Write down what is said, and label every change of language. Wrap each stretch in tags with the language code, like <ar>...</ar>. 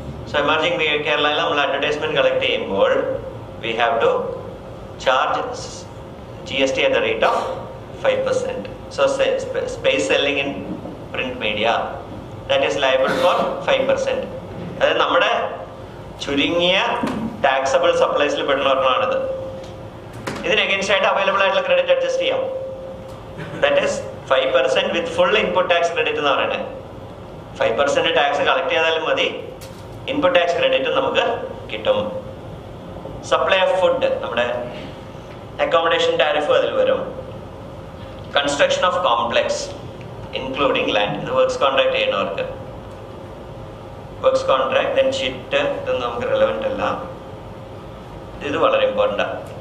<en>so emerging കേരളയിൽ</en> <ml>നമ്മൾ advertisement collect ചെയ്യുമ്പോൾ</ml> <en>We have to charge G S T at the rate of 5%. So space selling in print media that is liable for 5%.</en> <ml>അതായത് നമ്മുടെ ചുരുങ്ങിയ taxable സപ്ലൈസിൽ പെടുന്നവരാണിത്. ഇതിന് against ആയിട്ട് available ആയിട്ടുള്ള credit adjust ചെയ്യാം.</ml> <en>That is 5% with full input tax credit</en> <ml>എന്ന് പറയുന്നത്. 5% tax collect ചെയ്താലും മതി, ഇൻപുട്ട് ടാക്സ് ക്രെഡിറ്റ് നമുക്ക് കിട്ടും. സപ്ലൈ ഓഫ് ഫുഡ്, നമ്മുടെ അക്കോമഡേഷൻ ടാരിഫ് അതിൽ വരും. Construction of complex including land, ഇത് വർക്ക്സ് കോൺട്രാക്ട് ചെയ്യുന്നവർക്ക്, വർക്ക്സ് കോൺട്രാക്ട്. ദെൻ ഷിറ്റ്, ഇതൊന്നും നമുക്ക് റെലവൻ്റ് അല്ല. ഇത് വളരെ ഇമ്പോർട്ടൻ്റ് ആണ്.</ml>